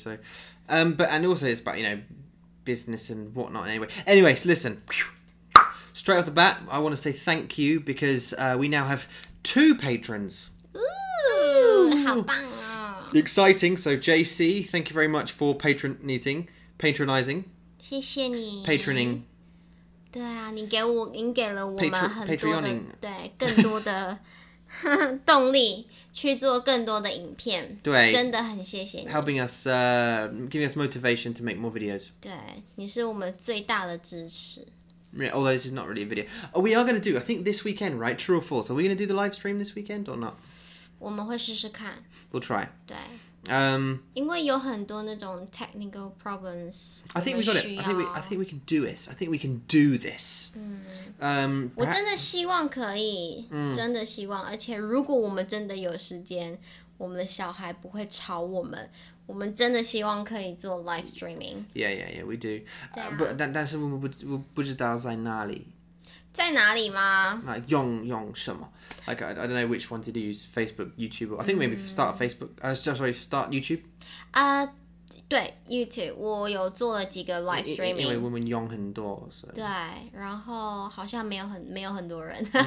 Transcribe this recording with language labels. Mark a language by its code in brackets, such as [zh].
[en] So, but and also it's about you know business and whatnot. Anyways, listen, straight off the bat, I want to say thank you because we now have two patrons. [zh] Ooh, 好棒哦 [en] ！Exciting. So JC, thank you very much for patronizing. [zh] 谢谢你 [en] ，patroning。 [zh] 对啊，你给了我们很多的， Patre- 对，更多的动力去做更多的影片。对，真的很谢谢你 [en] ，helping us giving us motivation to make more videos。 [zh] 对，你是我们最大的支持。 [en] Yeah, although this is not really a video. Oh, we are going to do. I think this weekend, right? True or false? Are we going to do the live stream this weekend or not? [zh] 我们会试试看。 [en] We'll try. [zh] 对。因为有很多那种 [en] technical problems, I think we got it. I think we can do this. I think we can do this. [zh] 我真的希望可以，真的希望。而且如果我们真的有时间，我们的小孩不会吵我们。我们真的希望可以做 live streaming. [en] Yeah, we do. [zh] 对啊。但是我不知道在哪里。在哪里吗？ Like, 用什么？ [en] Like, I don't know which one to use, Facebook, YouTube, or I think maybe start YouTube. [zh] YouTube, 我有做了几个 live streaming. 因为我们用很多，所以。对，然后好像没有很多人。